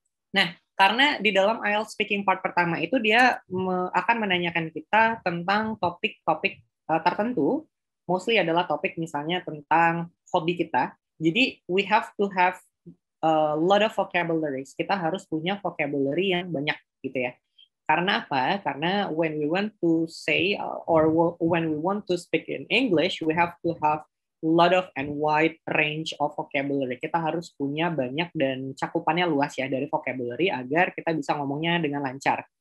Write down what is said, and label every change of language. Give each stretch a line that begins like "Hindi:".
Indonesian: Nah, karena di dalam IELTS speaking part pertama itu dia akan menanyakan kita tentang topik-topik tertentu, mostly adalah topik misalnya tentang hobi kita.
English: Jadi, we have to have a lot of vocabularies.
Indonesian: Kita harus punya vocabulary yang banyak gitu ya. Karena apa?
English: Karena when we want to say or when we want to speak in English, we have to have a lot of and wide range of vocabulary.
Indonesian: Kita harus punya banyak dan cakupannya luas ya dari vocabulary agar kita bisa ngomongnya dengan lancar.